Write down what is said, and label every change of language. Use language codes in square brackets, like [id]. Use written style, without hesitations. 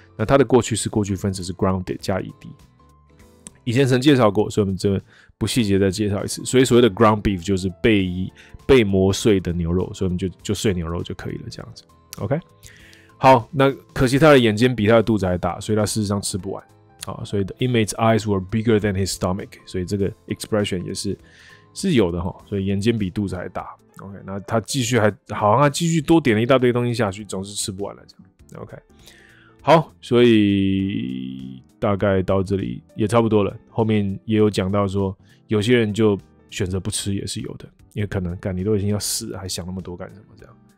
[zh] 那它的过去式过去分词是 grounded 加 ed。以前曾介绍过，所以我们这边不细节再介绍一次。所以所谓的 ground beef 就是被磨碎的牛肉，所以我们就碎牛肉就可以了，这样子。 OK， 好，那可惜他的眼睛比他的肚子还大，所以他事实上吃不完。好，所以 [en] the inmate's eyes were bigger than his stomach， [zh] 所以这个 expression 也是有的哈。所以眼睛比肚子还大。 OK， 那他继续还好像他继续多点了一大堆东西下去，总是吃不完了，这样。 OK。好，所以大概到这里也差不多了。后面也有讲到说，有些人就选择不吃也是有的，因为可能干你都已经要死了，还想那么多干什么？这样。